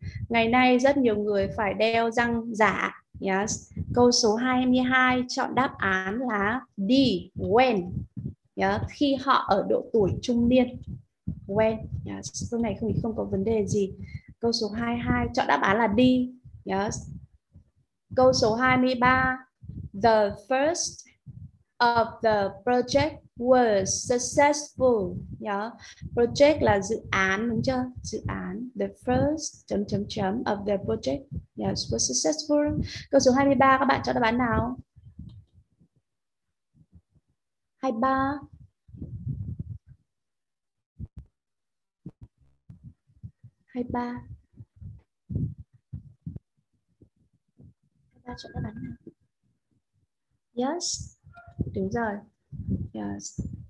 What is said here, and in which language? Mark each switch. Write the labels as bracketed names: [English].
[Vietnamese] Ngày nay rất nhiều người phải đeo răng giả. Yes. Câu số 22 chọn đáp án là D. When. Yeah. Khi họ ở độ tuổi trung niên. When, yes, câu này không có vấn đề gì. Câu số 22 chọn đáp án là D, yes. Câu số 23, [English] the first of the project was successful, yeah. [Vietnamese] Project là dự án, đúng chưa? Dự án, [English] the first of the project, yes, was successful. [Vietnamese] Câu số 23 các bạn chọn đáp án nào? 23. Hai ba chọn đáp án nào? Yes. Đúng rồi. Yes.